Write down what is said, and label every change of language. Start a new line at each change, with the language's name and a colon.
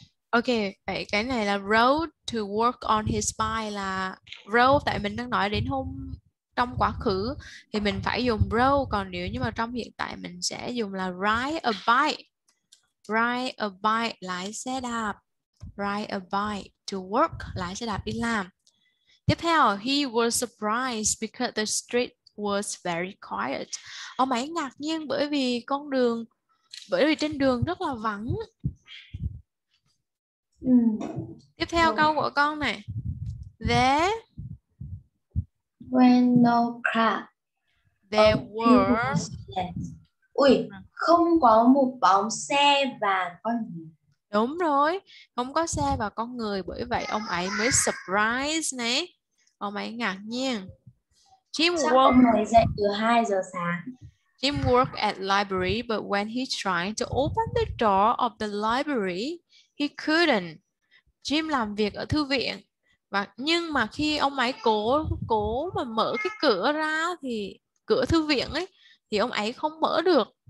Vietnamese: Ok, vậy cái này là
English: road to work on his bike
Vietnamese: là road, tại mình đang nói đến hôm trong quá khứ thì mình phải dùng road, còn nếu như mà trong hiện tại mình sẽ dùng là
English: ride a bike,
Vietnamese: lái xe đạp, ride a bike.
English: to work.
Vietnamese: Lái xe đạp đi làm. Tiếp theo,
English: he was surprised because the street was very quiet.
Vietnamese: Ông ấy ngạc nhiên bởi vì con đường, bởi vì trên đường rất là vắng. Tiếp theo câu của con này.
English: There were no car. There were.
Vietnamese: Ui, không có một bóng xe và con người. Đúng rồi, không có xe và con người, bởi vậy ông ấy mới surprise này. Ông ấy ngạc nhiên.
English: Jim work.
Vietnamese: Ông ấy dậy từ 2 giờ sáng.
English: Jim worked at library, but when he tried to open the door of the library, he couldn't.
Vietnamese: Jim làm việc ở thư viện và nhưng mà khi ông ấy cố mà mở cái cửa ra thì cửa thư viện ấy thì ông ấy không mở được.